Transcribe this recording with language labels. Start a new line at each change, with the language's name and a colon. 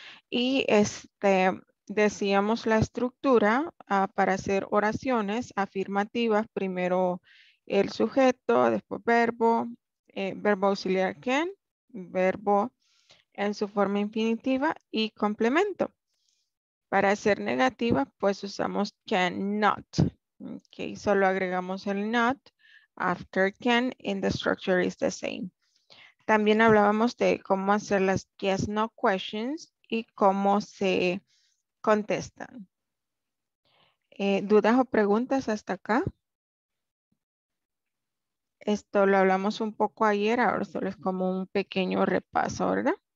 Spanish: Y decíamos la estructura para hacer oraciones afirmativas, primero el sujeto, después verbo, verbo auxiliar can, verbo en su forma infinitiva y complemento. Para hacer negativa, pues usamos cannot.
English: Okay,
Spanish: solo agregamos el
English: not after can and the structure is the same.
Spanish: También hablábamos de cómo hacer las yes no questions y cómo se contestan. ¿Dudas o preguntas hasta acá? Esto lo hablamos un poco ayer, ahora solo es como un pequeño repaso, ¿verdad?